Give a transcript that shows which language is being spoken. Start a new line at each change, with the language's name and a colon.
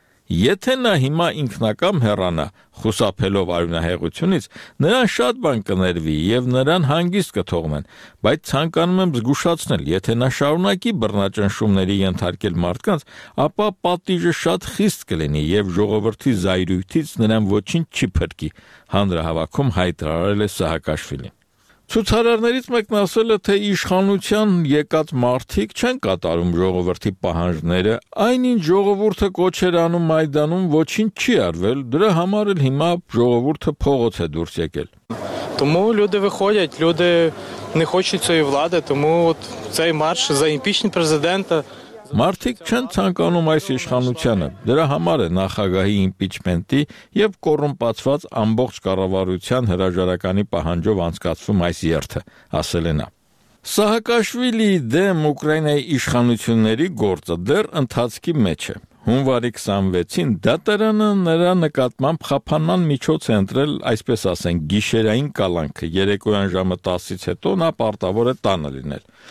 Armenian: Եթե նա հիմա ինքնակամ հեռանա, խուսափելով արյունահեղությունից, նրան շատ բան կներվի և նրան հանգիստ կթողմեն, բայց ցանկանում եմ զգուշացնել, եթե նա շարունակի բռնաճնշումների ենթարկել մարդկանց, ապա պատիժը շատ խիստ կլինի և ժողովրդի զայրույթից նրան ոչինչ չի փրկի, հանրահավաքում հայտարարել է Սահակաշվիլին։ Ցուցարարներից մեկն ասել է, թե իշխանության եկած մարդիկ չեն կատարում ժողովրդի պահանջները, այնինչ ժողովուրդը կոչ էր անում Մայդանում ոչինչ չի արվել, դրա համար էլ հիմա ժողովուրդը փողոց է դուրս եկել։
Ukrainian: Тому люди виходять, люди не хочуть цієї влади, тому от цей марш за імпічмент президента.
Armenian: Մարդիկ չեն ցանկանում այս իշխանությանը, դրա համար է նախագահի իմպիչմենտի և կոռումպացված ամբողջ կառավարության հրաժարականի պահանջով անցկացվում այս երթը, ասել է նա։ Սահակաշվիլի դեմ Ուկրաինայի իշխանությունների գործը դեռ ընթացքի մեջ է։ Հունվարի 26-ին դատարանը նրա նկատմամբ խափանման միջոց է ընտրել, այսպես ասենք, գիշերային կալանքը, երեկոյան ժամը 10-ից հետո նա պարտավոր է տանը լինել։